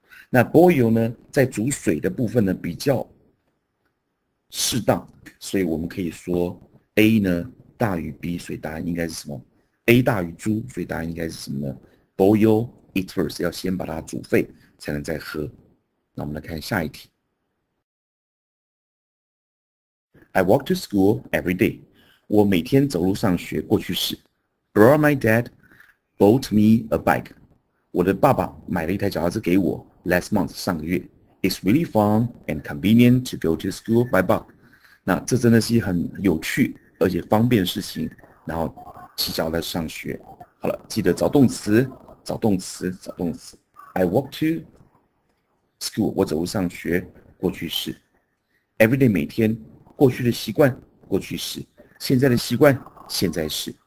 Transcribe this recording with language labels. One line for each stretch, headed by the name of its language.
Chinese: 那 boil 呢，在煮水的部分呢比较适当，所以我们可以说 A 呢大于 B，所以答案应该是什么？A 大于猪，所以答案应该是什么呢？
English: Boil it first，
Chinese: 要先把它煮沸才能再喝。那我们来看下一题。
English: I walk to school every day。
Chinese: 我每天走路上学，过去式。
English: Brought my dad bought me a bike。
Chinese: 我的爸爸买了一台脚踏车给我。
English: Last month
Chinese: 上个月，
English: It's really fun and convenient to go to school by bike。
Chinese: 那这真的是一很有趣而且方便的事情。然后骑脚踏车上学。好了，记得找动词，找动词，找动词。
English: I walk to school，
Chinese: 我走路上学，过去式。
English: Every day
Chinese: 每天，过去的习惯，过去式。现在的习惯，现在式。